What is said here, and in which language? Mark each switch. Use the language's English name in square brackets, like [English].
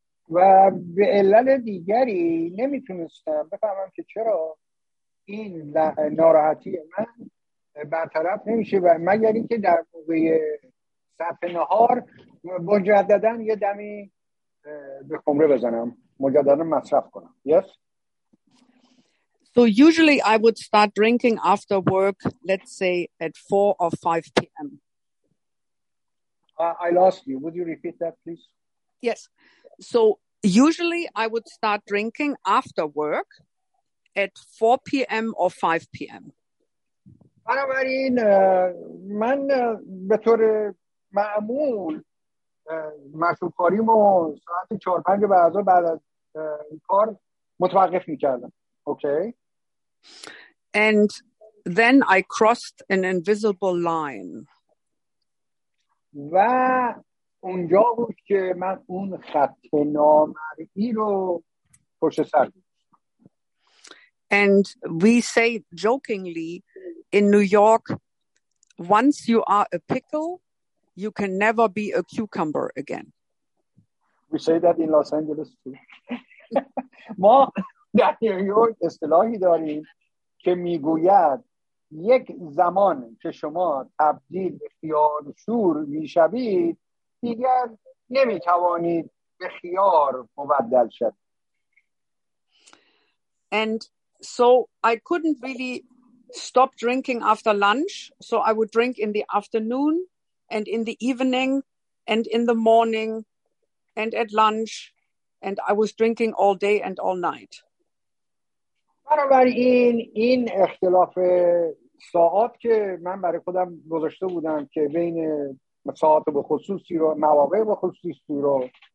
[Persian] و به علل دیگری نمیتونستم بفهمم که چرا این ناراحتی من برطرف نمیشه و مگر اینکه در موقع صرف نهار مجددا یه دمی به خمره بزنم، مجددا مصرف کنم. [English] Yes. So usually I would start drinking after work, let's say at 4 or 5 p.m. I lost you. Would you repeat that, please? Yes. So usually I would start drinking after work at 4 p.m. or 5 p.m. [Persian] بنابراین من به طور معمول مشروب خوریم و ساعت 4 5 بعد از کار متوقف می‌کردم. [English] Okay. And then I crossed an invisible line. [Persian] و اونجا بود که من اون خط نامرئی رو پشت سر گذاشتم. [English] And we say jokingly in New York, once you are a pickle, you can never be a cucumber again. We say that in Los Angeles too. [Persian] ما در نیویورک اصطلاحی داریم که میگوید یک زمان که شما تبدیل به خیار شور میشوید دیگر نمیتوانید به خیار مبدل شد. [English] And so I couldn't really stop drinking after lunch, so I would drink in the afternoon and in the evening and in the morning and at lunch, and I was drinking all day and all night. [Persian] بنابراین این اختلاف ساعت که من برای خودم گذاشته بودم که بین ساعت به خصوصی رو مواقع به خصوصی رو